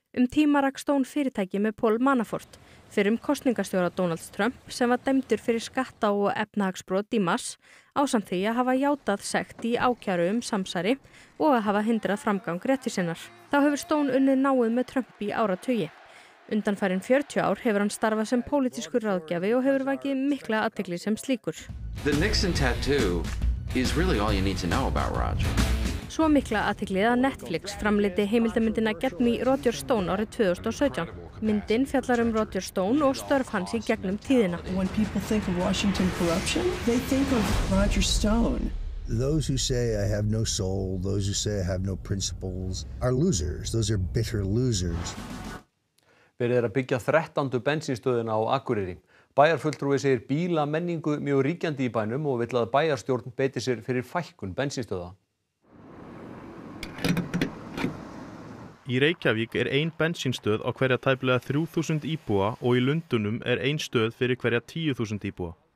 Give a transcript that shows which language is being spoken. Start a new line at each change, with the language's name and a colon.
Icelandic: Tíma rak Stone fyrirtæki með Paul Manafort, fyrrum kosningastjóra Donalds Trump sem var dæmdur fyrir skatta og efnahagsbrot í mass ásamt því að hafa játað sekt í ákjæru samsari og að hafa hindrað framgang réttvísinnar. Þá hefur Stone unnið náið með Trump í áratugi. Undanfarin 40 ár hefur hann starfað sem pólitískur ráðgjafi og hefur vakið mikla athygli sem slíkur.
English: The Nixon tattoo is really all you need to know about Roger.
Icelandic: Svo mikla athygli að Netflix framleiddi heimildamyndina Get Me Roger Stone árið 2017. Myndin fjallar Roger Stone og störf hans í gegnum tíðina.
English: When people think of Washington corruption, they think of Roger Stone. Those who say I have no soul, those who say I have no principles are losers. Those are bitter losers.
Icelandic: Verið að byggja 13. bensínstöðina á Akureyri. Bæjarfulltrúi segir bíla menningu mjög ríkjandi í bænum og vill að bæjarstjórn beiti sér fyrir fækkun bensínstöða. Í Reykjavík ein bensínstöð á hverja tæplega 3000 íbúa og í Lundunum ein stöð fyrir hverja 10.000 íbúa.